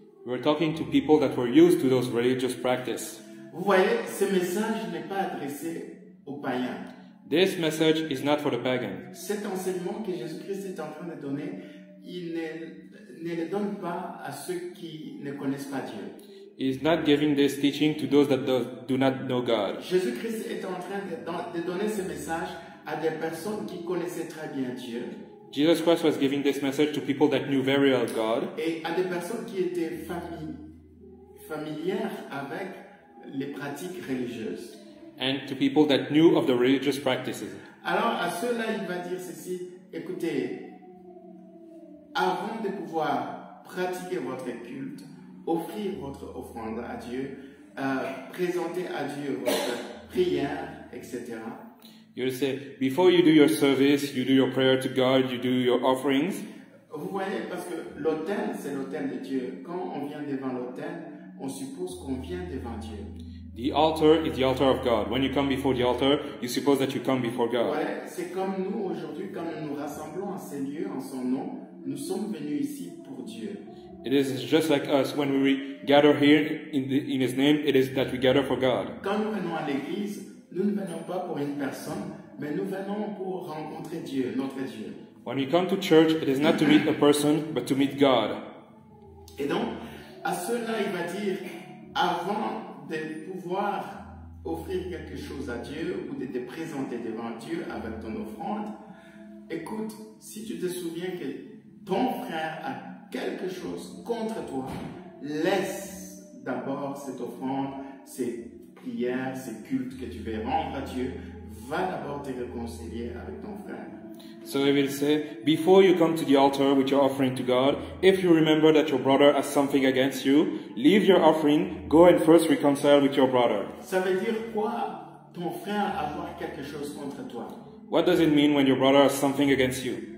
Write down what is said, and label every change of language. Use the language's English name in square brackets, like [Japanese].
[English] We're talking to people that were used to those religious practices. [French] Vous voyez, ce message n'est pas adressé aux païens. [English] This message is not for the pagan. [French] Cet enseignement que Jésus-Christ est en train de donner, il ne le donne pas à ceux qui ne connaissent pas Dieu. [English] He's not giving this teaching to those that do not know God. [French] Jésus-Christ est en train de donner ce message à des personnes qui connaissaient très bien Dieu. [English] Jesus Christ was giving this message to people that knew very well God. [French] Et à des personnes qui étaient familières avec les pratiques religieuses. [English] And to people that knew of the religious practices. [French] Alors à ceux-là, il va dire ceci, écoutez, avant de pouvoir pratiquer votre culte, offrir votre offrande à Dieu, présenter à Dieu votre prière, etc. [English] You say, before you do your service, you do your prayer to God, you do your offerings. [French] Vous voyez, parce que l'autel, c'est l'autel de Dieu. Quand on vient devant l'autel, on suppose qu'on vient devant Dieu. [English] The altar is the altar of God. When you come before the altar, you suppose that you come before God. [French] Voilà, c'est comme nous aujourd'hui, quand nous nous rassemblons en ces lieux, en son nom, nous sommes venus ici pour Dieu. [English] It is just like us, when we gather here in His name, it is that we gather for God. [French] Quand nous venons à l'église, nous ne venons pas pour une personne, mais nous venons pour rencontrer Dieu, notre Dieu. [English] When we come to church, it is not to meet a person, but to meet God. [French] Et donc, à cela, il va dire, avant de pouvoir offrir quelque chose à Dieu ou de te présenter devant Dieu avec ton offrande, écoute, si tu te souviens que ton frère a quelque chose contre toi, laisse d'abord cette offrande, ses prières, ses cultes que tu veux rendre à Dieu. Va d'abord te réconcilier avec ton frère. [English] So he will say, before you come to the altar with your offering to God, if you remember that your brother has something against you, leave your offering, go and first reconcile with your brother. [French] Ça veut dire quoi, ton frère avoir quelque chose contre toi? [English] What does it mean when your brother has something against you?